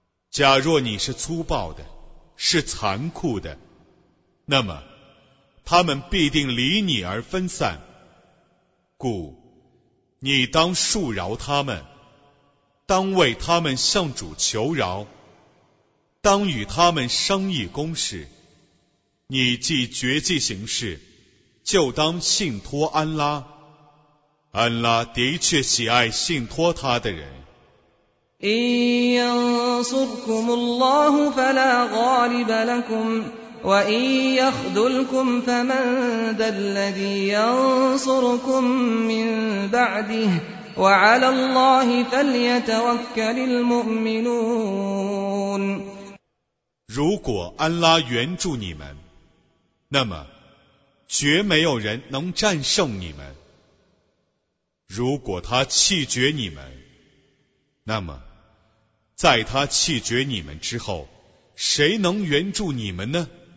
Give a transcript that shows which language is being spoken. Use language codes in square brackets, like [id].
[zh] 假若你是粗暴的，是残酷的，那么他们必定离你而分散，故你当恕饶他们，当为他们向主求饶，当与他们商议公事。你既决计行事，就当信托安拉，安拉的确喜爱信托他的人。 [ar] إن ينصركم الله فلا غالب لكم وإن يخذلكم فمن ذا الذي ينصركم من بعده وعلى الله فليتوكل المؤمنون [zh] 如果安拉援助你们，那么绝没有人能战胜你们。如果他弃绝你们，那么在他弃绝你们之后，谁能援助你们呢？